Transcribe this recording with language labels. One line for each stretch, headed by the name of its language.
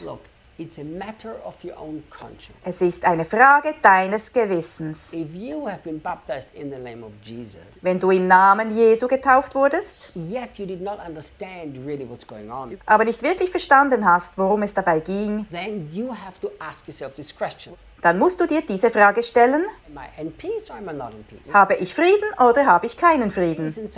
English: Look, it's a matter of your own conscience.
German: Es ist eine Frage deines Gewissens.
English: If you have been baptized in the name of Jesus,
German: wenn du im Namen Jesu getauft wurdest,
English: yet you did not understand really what's going on,
German: aber nicht wirklich verstanden hast, worum es dabei ging,
English: then you have to ask yourself this question.
German: Dann musst du dir diese Frage stellen.
English: Am I in peace or am I not in peace?
German: Habe ich Frieden oder habe ich keinen Frieden?